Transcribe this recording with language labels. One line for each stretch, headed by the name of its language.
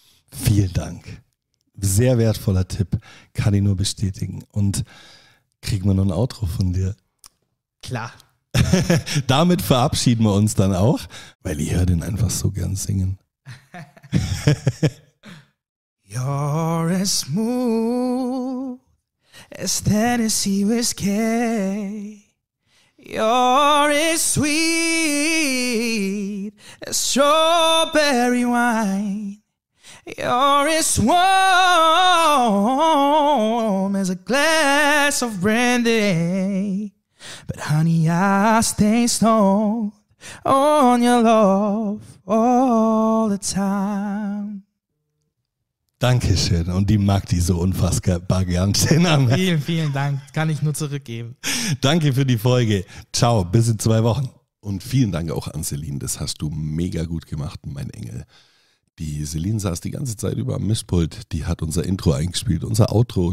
German: Vielen Dank. Sehr wertvoller Tipp. Kann ich nur bestätigen. Und kriegen wir noch ein Outro von dir? Klar. Damit verabschieden wir uns dann auch, weil ich höre den einfach so gern singen.
English: You're as smooth as Tennessee whiskey. You're as sweet as strawberry wine. You're as warm as a glass of brandy. But honey, I stay stoned on your love all the time.
German: Dankeschön. Und die mag die so unfassbar gern. Schön an. Vielen, vielen Dank. Kann ich nur zurückgeben. Danke für die Folge. Ciao. Bis in zwei Wochen. Und vielen Dank auch an Celine. Das hast du mega gut gemacht, mein Engel. Die Celine saß die ganze Zeit über am Mischpult. Die hat unser Intro eingespielt, unser Outro.